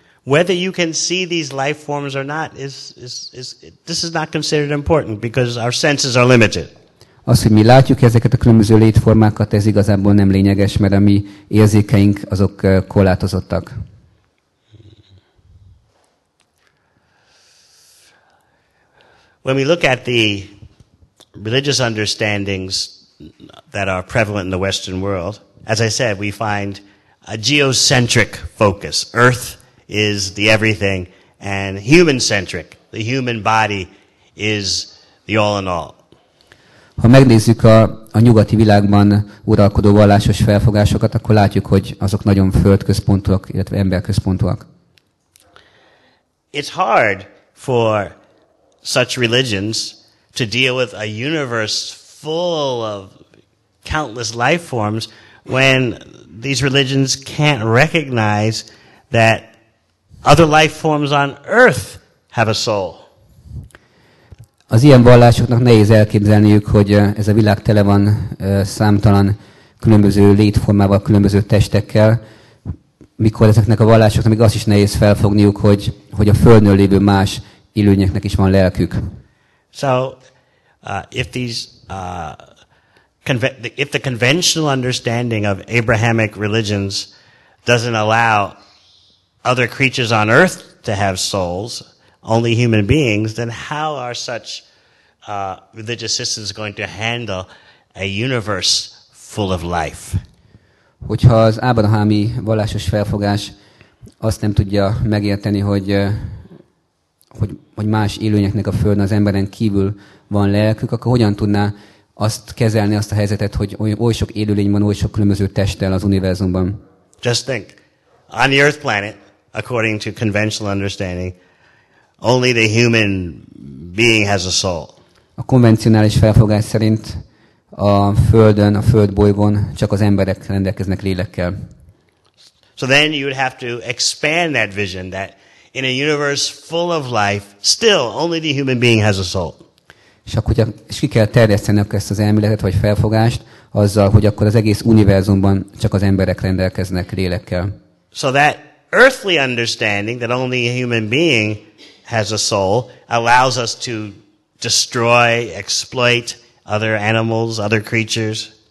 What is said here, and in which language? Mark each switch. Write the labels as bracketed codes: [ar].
[en] Whether you can see these life forms or not this is not considered important because our senses are limited. [hu] Az, hogy mi látjuk ezeket a különböző létformákat, ez igazából nem lényeges, mert a mi érzékeink azok korlátozottak. [en] When we look at the religious understandings that are prevalent in the Western world, as I said, we find a geocentric focus. Earth is the everything, and human-centric, the human body, is the all in all. [hu] Ha megnézzük a nyugati világban uralkodó vallásos felfogásokat, akkor látjuk, hogy azok nagyon földközpontúak, illetve emberközpontúak. [en] It's hard for such religions to deal with a universe full of countless life forms when these religions can't recognize that other life forms on earth have a soul. [hu] Az ilyen vallásoknak nehéz elképzelniük, hogy ez a világ tele van számtalan különböző létformával, különböző testekkel, mikor ezeknek a vallásoknak még azt is nehéz felfogniuk, hogy a Földön lévő más élőlényeknek is van lelkük. [en] So, if the conventional understanding of Abrahamic religions doesn't allow other creatures on earth to have souls, only human beings, then how are such religious systems going to handle a universe full of life? [hu] Hogyha az ábrahámi vallásos felfogás azt nem tudja megérteni, hogy más élőnyeknek a Földön az emberen kívül van lelkük, akkor hogyan tudná azt kezelni, azt a helyzetet, hogy oly sok élőlény van, oly sok különböző testtel az univerzumban? [en] Just think, on the Earth planet, according to conventional understanding, only the human being has a soul. [hu] A konvencionális felfogás szerint a Földön, a Föld bolygón csak az emberek rendelkeznek lélekkel. [en] So then you would have to expand that vision that in a universe full of life, still only the human being has a soul. [hu] És ki kell terjesztenek ezt az elméletet vagy felfogást azzal, hogy akkor az egész univerzumban csak az emberek rendelkeznek lélekkel. [en] So that earthly understanding that only a human being has a soul allows us to destroy, exploit other animals, other creatures.